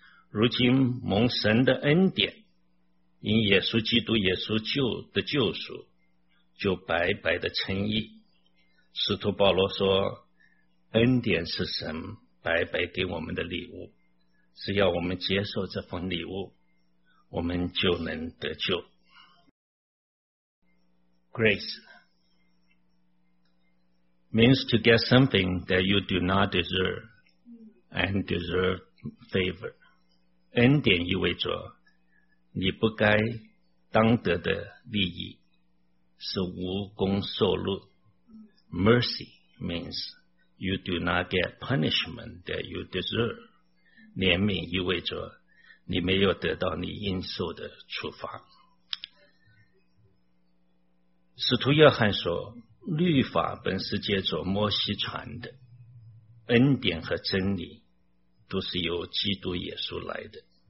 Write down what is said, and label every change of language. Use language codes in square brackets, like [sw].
[zh] 如今蒙神的恩典，因耶稣基督耶稣救的救赎，就白白的称义。使徒保罗说，恩典是神白白给我们的礼物，只要我们接受这份礼物，我们就能得救。 [en] Grace means to get something that you do not deserve and deserve favor. [zh] 恩典意味着你不该当得的利益，是无功受禄。 [en] Mercy means you do not get punishment that you deserve. [zh] 怜悯意味着你没有得到你应受的处罚。使徒约翰说，律法本是借着摩西传的，恩典和真理都是由基督耶稣来的。